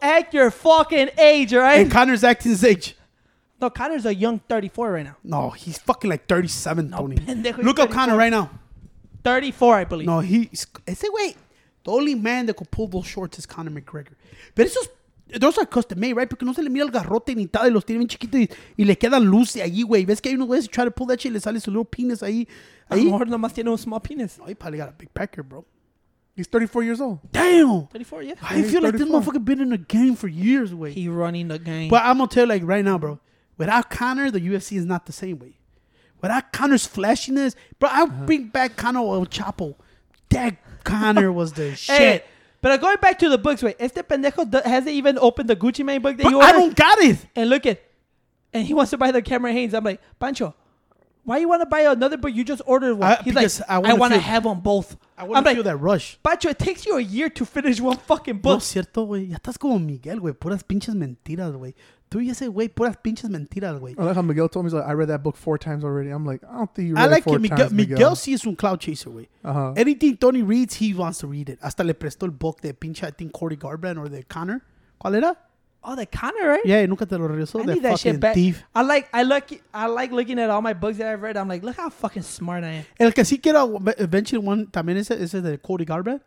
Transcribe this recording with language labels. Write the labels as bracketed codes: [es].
[en] Act your fucking age, all right? And Connor's acting his age. No, Connor's a young 34 right now. No, he's fucking like 37, no, Tony. Look up Connor right now. 34, I believe. No, he's... [es] Ese güey, [en] the only man that could pull those shorts is Conor McGregor. [es] Pero esos... [en] Those are custom made, right? [es] Porque no se le mira el garrote ni tal y los tiene bien chiquitos y le quedan luces ahí, güey. Ves que hay unos güeyes que [en] try to pull that shit [es] y le sale su [en] little penis [es] ahí. A lo mejor nomás tiene un [en] small penis. No, he probably got a big pecker, bro. He's 34 years old. Damn. 34, yeah. I feel like this motherfucker been in the game for years, güey. He running the game. But I'm going to tell you like right now, bro. Without Conor, the UFC is not the same way. Without Conor's flashiness, bro, I bring back Conor El Chapo. That Conor was the shit. But hey, going back to the books, wait, [es] este pendejo [en] hasn't even opened the Gucci Mane book that you ordered. I don't got it. And look it. And he wants to buy the Cameron Haynes. I'm like, Pancho, why you want to buy another book? You just ordered one. He's like, I want to have them both. I want to feel that rush. Pancho, it takes you a year to finish one fucking book. [es] No, cierto, güey. Ya estás como Miguel, güey. Puras pinches mentiras, güey. Tú y ese güey, puras pinches mentiras, güey. [en] I like how Miguel told me, he's like, I read that book 4 times already. I'm like, I don't think you read like it 4 times, Miguel. Miguel [es] sí es un [en] cloud chaser, güey. Uh-huh. Anything Tony reads, he wants to read it. [es] Hasta le prestó el book de pinche, [en] I think, [es] Corey Garbrandt or the Connor. ¿Cuál era? [en] Oh, the Connor, right? [es] Yeah, nunca te lo regresó. [en] I need that fucking shit back. Thief. I like looking at all my books that I've read. I'm like, look how fucking smart I am. [es] El que sí quiero [en] eventually one [es] también ese de Corey Garbrandt.